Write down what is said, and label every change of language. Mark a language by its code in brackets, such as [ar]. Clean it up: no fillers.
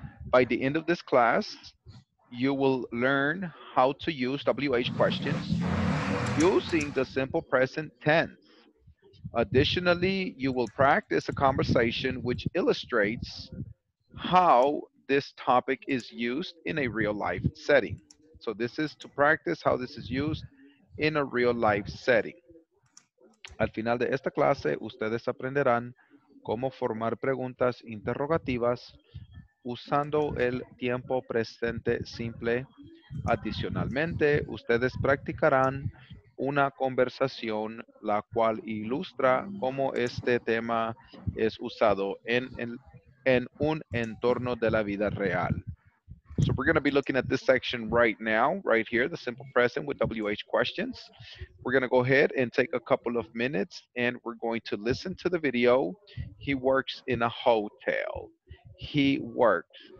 [en] By the end of this class, you will learn how to use WH questions using the simple present tense. Additionally, you will practice a conversation which illustrates how this topic is used in a real life setting. So this is to practice how this is used in a real life setting. [es] Al final de esta clase, ustedes aprenderán cómo formar preguntas interrogativas usando el tiempo presente simple. Adicionalmente, ustedes practicarán una conversación la cual ilustra cómo este tema es usado en un entorno de la vida real. [en] So we're going to be looking at this section right now, right here, the simple present with WH questions. We're going to go ahead and take a couple of minutes and we're going to listen to the video. He works in a hotel. He works.